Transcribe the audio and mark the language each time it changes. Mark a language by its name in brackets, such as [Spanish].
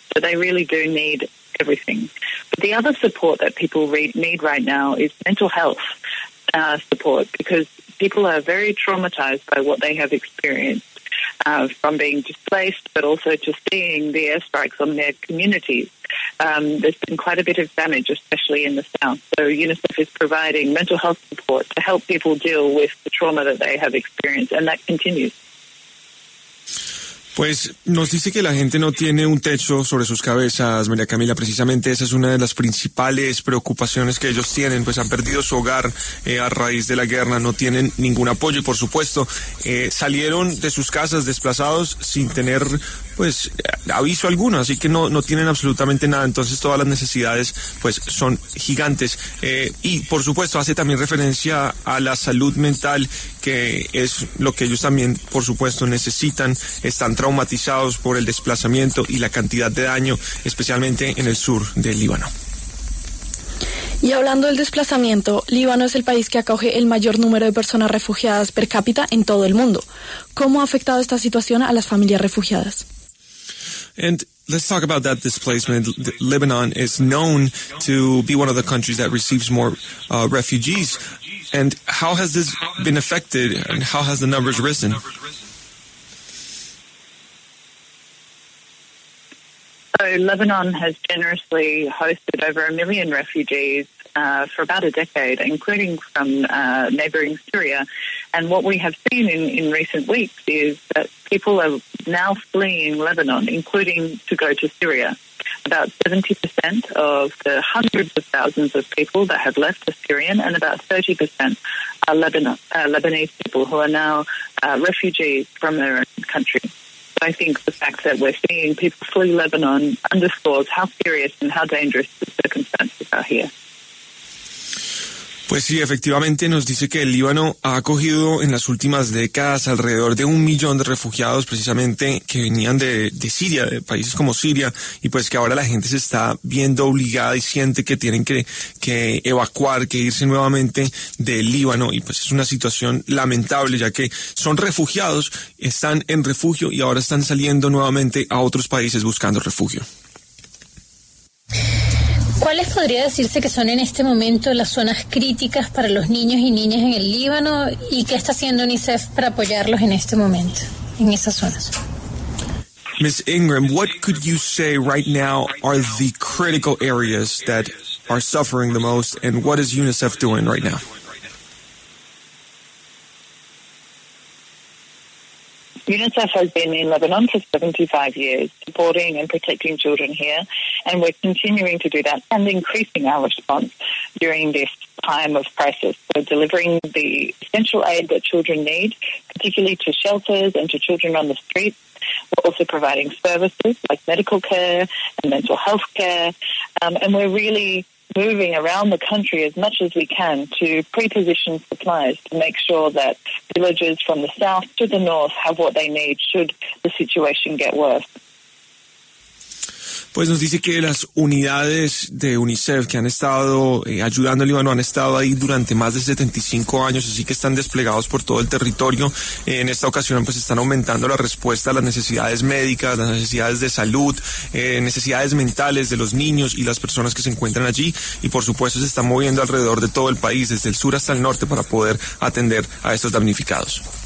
[English] So they really do need everything. But the other support that people need right now is mental health support, because people are very traumatized by what they have experienced, from being displaced, but also just seeing the airstrikes on their communities. There's been quite a bit of damage, especially in the south. So UNICEF is providing mental health support to help people deal with the trauma that they have experienced, and that continues. [Spanish] Pues nos dice que la gente no tiene un techo sobre sus cabezas, María Camila. Precisamente esa es una de las principales preocupaciones que ellos tienen. Pues han perdido su hogar a raíz de la guerra, no tienen ningún apoyo y, por supuesto, salieron de sus casas desplazados sin tener pues aviso alguno, así que no tienen absolutamente nada. Entonces todas las necesidades pues son gigantes. Y por supuesto hace también referencia a la salud mental, que es lo que ellos también por supuesto necesitan. Están traumatizados por el desplazamiento y la cantidad de daño, especialmente en el sur del Líbano. Y hablando del desplazamiento, Líbano es el país que acoge el mayor número de personas refugiadas per cápita en todo el mundo. ¿Cómo ha afectado esta situación a las familias refugiadas? [English] And let's talk about that displacement. Lebanon is known to be one of the countries that receives more refugees. And how has this been affected, and how has the numbers risen? So Lebanon has generously hosted over a million refugees for about a decade, including from neighbouring Syria. And what we have seen in recent weeks is that people are now fleeing Lebanon, including to go to Syria. About 70% of the hundreds of thousands of people that have left are Syrian, and about 30% are Lebanese people who are now refugees from their own country. I think the fact that we're seeing people flee Lebanon underscores how serious and how dangerous the circumstances are here. [Spanish] Pues sí, efectivamente nos dice que el Líbano ha acogido en las últimas décadas alrededor de 1 millón de refugiados precisamente que venían de Siria, de países como Siria, y pues que ahora la gente se está viendo obligada y siente que tienen que evacuar, que irse nuevamente del Líbano, y pues es una situación lamentable ya que son refugiados, están en refugio y ahora están saliendo nuevamente a otros países buscando refugio. ¿Cuáles podría decirse que son en este momento las zonas críticas para los niños y niñas en el Líbano y qué está haciendo UNICEF para apoyarlos en este momento en esas zonas? [English] Ms. Ingram, what could you say right now are the critical areas that are suffering the most and what is UNICEF doing right now? UNICEF has been in Lebanon for 75 years, supporting and protecting children here, and we're continuing to do that and increasing our response during this time of crisis. So delivering the essential aid that children need, particularly to shelters and to children on the streets. We're also providing services like medical care and mental health care, and we're really moving around the country as much as we can to pre-position supplies to make sure that villages from the south to the north have what they need should the situation get worse. [Spanish] Pues nos dice que las unidades de UNICEF que han estado ayudando al Líbano han estado ahí durante más de 75 años, así que están desplegados por todo el territorio. En esta ocasión pues están aumentando la respuesta a las necesidades médicas, las necesidades de salud, necesidades mentales de los niños y las personas que se encuentran allí, y por supuesto se están moviendo alrededor de todo el país, desde el sur hasta el norte, para poder atender a estos damnificados.